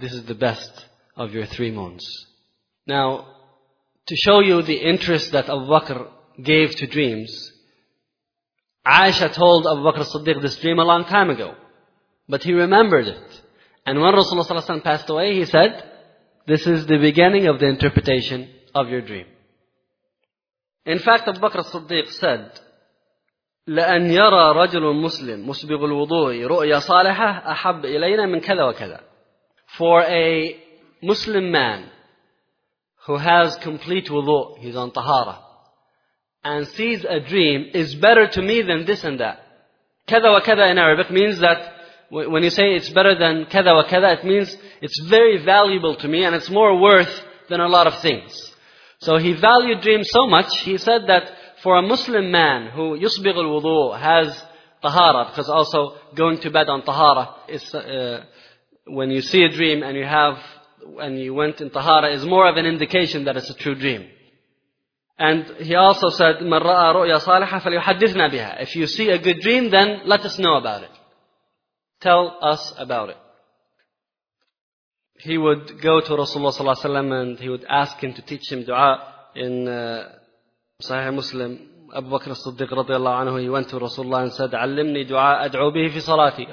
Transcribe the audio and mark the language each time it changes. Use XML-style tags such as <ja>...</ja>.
<en>This is the best of your three moons. Now, to show you the interest that Abu Bakr gave to dreams, Aisha told Abu Bakr as-Siddiq this dream a long time ago, but he remembered it. And when Rasulullah ﷺ passed away, he said, "This is the beginning of the interpretation of your dream."</en> <ar>In fact, Abu Bakr as-Siddiq said, "لَأَنْ يَرَى رَجُلٌ مُسْلِمٌ مُسْبِغُ الْوُضُوءِ رُؤْيَا صَالِحَةٌ أَحَبَّ إِلَيْنَا مِنْ كَذَا وَكَذَا."</ar> <en>For a Muslim man who has complete wudu, he's on tahara, and sees a dream, is better to me than this and that. كَذَا وَكَذَا in Arabic means that when you say it's better than كَذَا وَكَذَا, it means it's very valuable to me and it's more worth than a lot of things. So he valued dreams so much, he said that for a Muslim man who يصبغ الوضوء, has tahara, because also going to bed on tahara is when you see a dream and you went in tahara is more of an indication that it's a true dream.</en> <ar>And he also said, "من رأى رؤيا صالحة فليحدثنا بها."</ar> <en>If you see a good dream, then let us know about it. Tell us about it. He would go to Rasulullah sallallahu alaihi wasallam and he would ask him to teach him dua in Sahih Muslim. Abu Bakr as-Siddiq radiyallahu anhu, he went to Rasulullah and said, "Allimni dua ad'u bihi fi salati."</en>